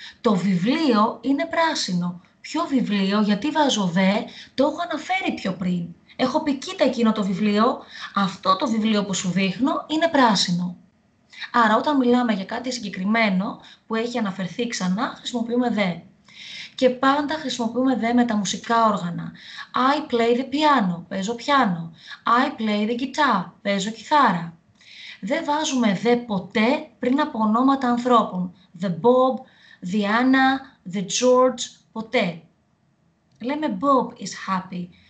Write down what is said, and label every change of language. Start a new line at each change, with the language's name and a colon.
Greek: Το βιβλίο είναι πράσινο. Ποιο βιβλίο, γιατί βάζω δε, το έχω αναφέρει πιο πριν. Έχω πει κοίτα εκείνο το βιβλίο, αυτό το βιβλίο που σου δείχνω είναι πράσινο. Άρα όταν μιλάμε για κάτι συγκεκριμένο που έχει αναφερθεί ξανά, χρησιμοποιούμε δε. Και πάντα χρησιμοποιούμε δε με τα μουσικά όργανα.
English: I play the piano,
Greek: παίζω πιάνο.
English: I play the guitar,
Greek: παίζω κιθάρα. Δεν βάζουμε δε ποτέ πριν από ονόματα ανθρώπων.
English: The Bob, the Anna, the George,
Greek: ποτέ. Λέμε
English: Bob is happy.